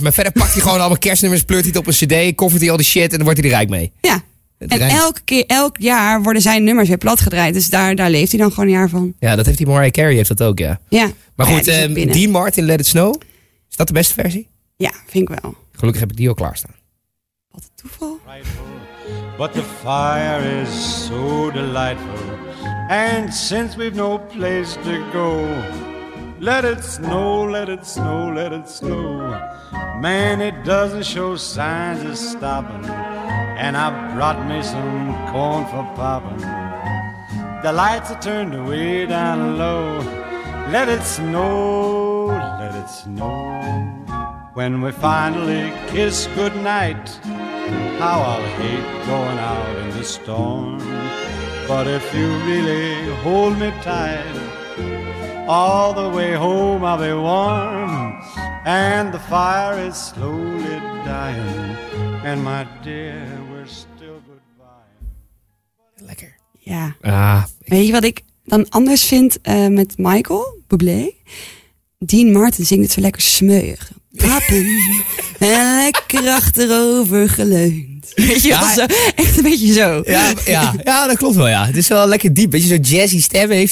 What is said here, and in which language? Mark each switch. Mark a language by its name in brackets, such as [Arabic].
[Dutch] Maar verder pakt hij gewoon allemaal kerstnummers, pleurt hij het op een CD, koffert hij al die shit en dan wordt hij er rijk mee. Ja. En elk jaar worden zijn nummers weer platgedraaid. Dus daar leeft hij dan gewoon een jaar van. Ja, dat heeft die Mariah Carey heeft dat ook, ja. Ja. Maar goed, Dean Martin, Let It Snow. Is dat de beste versie? Ja, vind ik wel. Gelukkig heb ik die al klaarstaan. Wat een toeval. [English] But the fire is so delightful. And since we've no place to go. Let it snow, let it snow, let it snow. Man, it doesn't show signs of stopping. And I brought me some corn for popping. The lights are turned way down low. Let it snow, let it snow. When we finally kiss goodnight, how I'll hate going out in the storm. But if you really hold me tight, all the way home I'll be warm. And the fire is slowly dying. And my dear, we're still goodbye. [Dutch] Lekker. Ja. Ah, weet je wat ik dan anders vind met Michael Bublé? Dean Martin zingt het zo lekker smeuig. Pappen. En lekker achterover geleund. Weet je wat? Ja, echt een beetje zo. Ja, dat klopt wel, ja. Het is wel lekker diep. Weet je, zo'n jazzy stem heeft